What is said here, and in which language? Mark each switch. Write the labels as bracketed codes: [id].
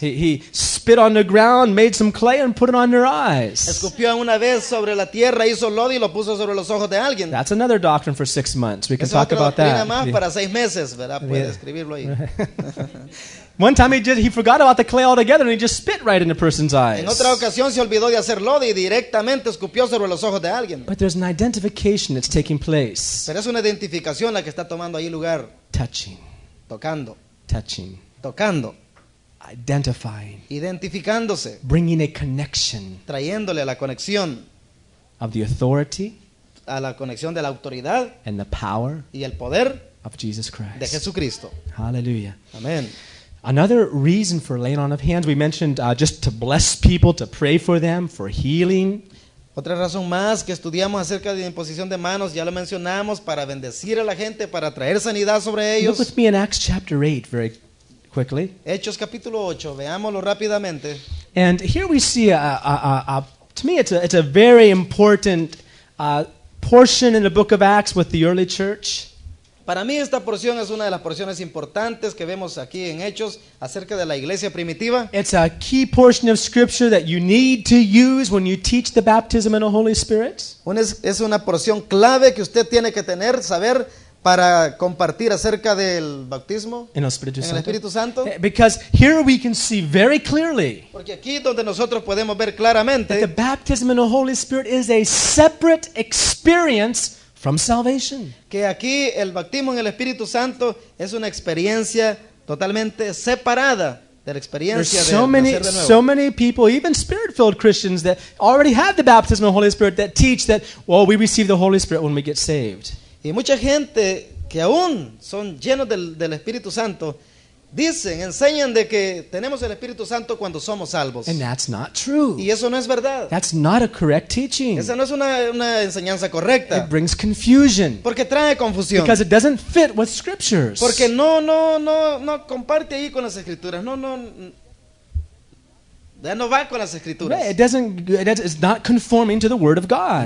[en] He spit on the ground, made some clay and put it on their eyes. [es] Escupió una vez sobre la tierra, hizo lodo y lo puso sobre los ojos de alguien. [en] That's another doctrine for 6 months. We can talk about that. [es] Es otra doctrina más para 6 meses, ¿verdad? Puede escribirlo ahí. [en] One time he forgot about the clay altogether and he just spit right in the person's eyes. [es] En otra ocasión se olvidó de hacer lodo y directamente escupió sobre los ojos de alguien. [en] But there's an identification that's taking place. [es] Pero es una identificación la que está tomando ahí lugar. [en] Touching. [es] Tocando. [en] Touching. [es] Tocando. [en] Identifying. [es] Identificándose. [en] Bringing a connection. [es] Trayéndole la conexión. [en] Of the authority. [es] A la conexión de la autoridad. [en] And the power. [es] Y el poder. [en] Of Jesus Christ. [es] De Jesucristo. Hallelujah. Amen. [en] Another reason for laying on of hands, we mentioned just to bless people, to pray for them, for healing. [es] Otra razón más que estudiamos acerca de la imposición de manos, ya lo mencionamos, para bendecir a la gente, para traer sanidad sobre ellos. [en] Look with me in Acts chapter 8 very quickly. [es] Hechos capítulo 8, veámoslo rápidamente. [en] And here we see, to me it's a very important portion in the book of Acts with the early church. [es] Para mí esta porción es una de las porciones importantes que vemos aquí en Hechos acerca de la iglesia primitiva. [en] It's a key portion of scripture that you need to use when you teach the baptism in the Holy Spirit. [es] Es una porción clave que usted tiene que tener, saber para compartir acerca del bautismo en el Espíritu Santo. En el Espíritu Santo. [en] Because here we can see very clearly. [es] Porque aquí donde nosotros podemos ver claramente. [en] That the baptism in the Holy Spirit is a separate experience from salvation. [es] Que aquí el bautismo en el Espíritu Santo es una experiencia totalmente separada de la experiencia de nacer de nuevo. [en] So many people, even spirit-filled Christians that already have the baptism of the Holy Spirit that teach that, well, we receive the Holy Spirit when we get saved. [es] Y mucha gente que aún son llenos del Espíritu Santo dicen, enseñan de que tenemos el Espíritu Santo cuando somos salvos. [en] And that's not true. [es] Y eso no es verdad. [en] That's not a correct teaching. [es] Esa no es una enseñanza correcta. [en] It brings confusion. [es] Porque trae confusión. [en] Because it doesn't fit with scriptures. [es] Porque no comparte ahí con las escrituras. No va con las escrituras. [en] Right, it's not conforming to the word of God.